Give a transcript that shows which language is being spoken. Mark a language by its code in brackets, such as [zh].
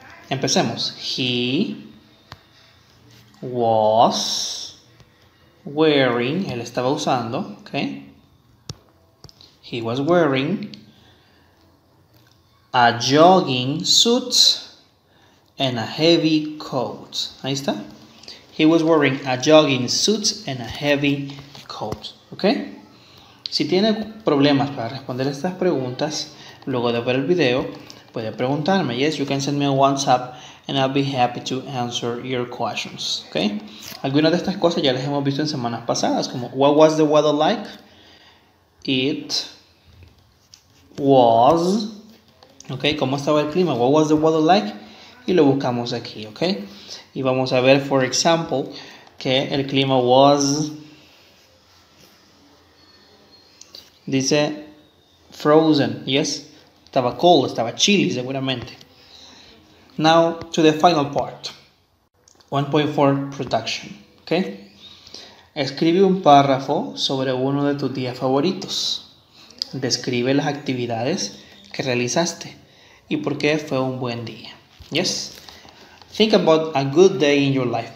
[es] Empecemos. [en] He was wearing, [es] él estaba usando, okay. [en] He was wearing a jogging suit and a heavy coat. [es] Ahí está. [en] He was wearing a jogging suit and a heavy coat. ¿Ok? [es] Si tiene problemas para responder estas preguntas, luego de ver el video, Puede preguntarme. [en] Yes, you can send me a WhatsApp and I'll be happy to answer your questions. [es] Okay? Algunas de estas cosas ya las hemos visto en semanas pasadas, como [en] what was the weather like? [es] It was. Okay, ¿cómo estaba el clima? [en] What was the weather like? [es] Y lo buscamos aquí, okay? Y vamos a ver, [en] for example, [es] que el clima was, dice, frozen, yes? Estaba cold, estaba chilly, seguramente. [en] Now, to the final part. 1.4, production, okay? [es] Escribe un párrafo sobre uno de tus días favoritos. Describe las actividades que realizaste y por qué fue un buen día. [en] Yes. Think about a good day in your life.